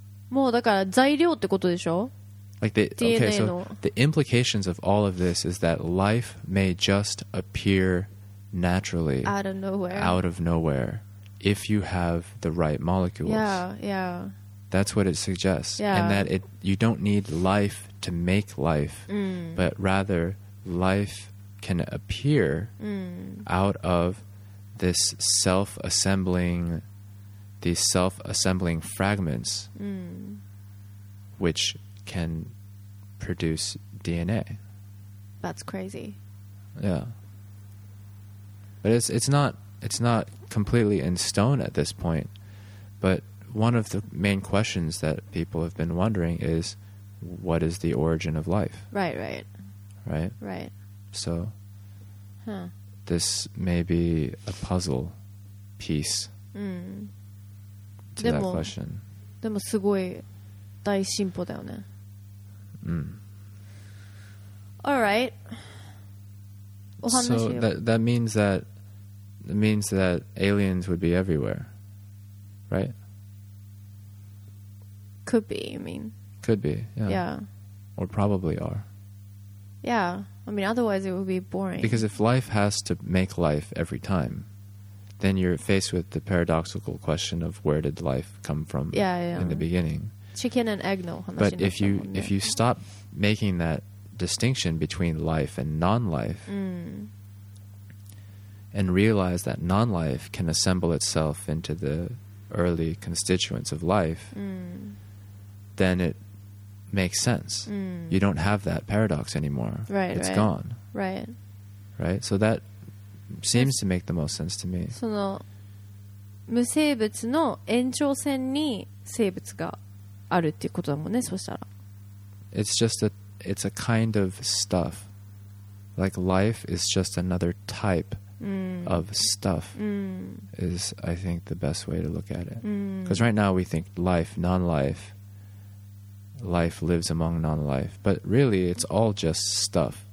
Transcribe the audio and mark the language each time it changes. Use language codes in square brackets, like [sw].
[ja] もうだから材料ってことでしょ? [en] Like the DNA okay, so the implications of all of this is that life may just appear naturally out of nowhere if you have the right molecules. Yeah, yeah. That's what it suggests. Yeah. And that you don't need life to make life, but rather life can appear out of this self-assembling fragments which can produce DNA. That's crazy. Yeah. But it's not completely in stone at this point. But one of the main questions that people have been wondering is, what is the origin of life? Right. So this may be a puzzle piece to that question. [ja] でもすごい大進歩だよね。 [en] All right. So that means that aliens would be everywhere, right? Could be, you mean? Could be, yeah. Yeah. Or probably are. Yeah. I mean, otherwise it would be boring. Because if life has to make life every time, then you're faced with the paradoxical question of where did life come from in the beginning. Chicken and egg no. But if you stop making that distinction between life and non-life and realize that non-life can assemble itself into the early constituents of life, then it makes sense. You don't have that paradox anymore. It's gone. Right? So that seems to make the most sense to me. [ja] その無生物の延長線に生物があるっていうことだもんね、そしたら。 [en] It's a kind of stuff. Like life is just another type of stuff is, I think, the best way to look at it. Because right now we think life, non-life, life lives among non-life, but really it's all just stuff.